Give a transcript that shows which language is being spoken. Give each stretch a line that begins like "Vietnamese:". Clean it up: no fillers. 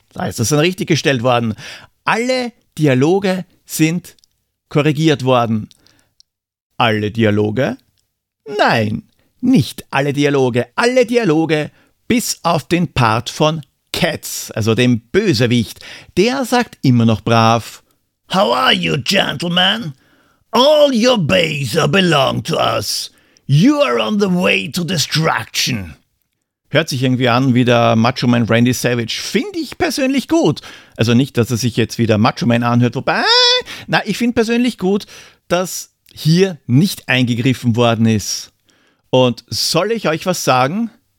German: Da ist es dann richtig gestellt worden. Alle Dialoge sind korrigiert worden. Alle Dialoge? Nein. Nicht alle Dialoge, alle Dialoge, bis auf den Part von Cats, also dem Bösewicht. Der sagt immer noch brav,
English: How are you, gentlemen? All your base belong to us. You are on the way to destruction.
German: Hört sich irgendwie an wie der Macho Man Randy Savage. Finde ich persönlich gut. Also nicht, dass er sich jetzt wieder Macho Man anhört, wobei, na, ich finde persönlich gut, dass hier nicht eingegriffen worden ist. Und soll ich euch was sagen?